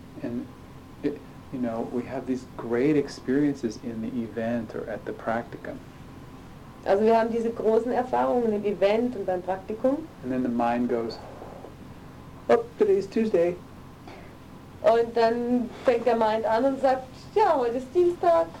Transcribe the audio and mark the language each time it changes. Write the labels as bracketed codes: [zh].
[en] And it, you know, we have these great experiences in the event or at the practicum. [de] Also wir haben diese großen Erfahrungen im Event und beim Praktikum. [en] And then the mind goes, "Oh, today is Tuesday." [de] Und dann fängt der Mind an und sagt, ja, heute ist Dienstag.